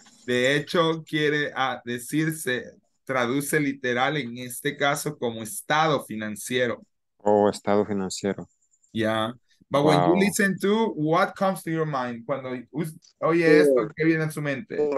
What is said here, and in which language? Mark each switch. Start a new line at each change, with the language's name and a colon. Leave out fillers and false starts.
Spanish: De hecho, quiere decirse, traduce literal en este caso como estado financiero. Oh, estado financiero.
English: Yeah. But wow. When you listen to, what comes to your mind?
Spanish: Cuando oye esto, ¿qué viene a su mente?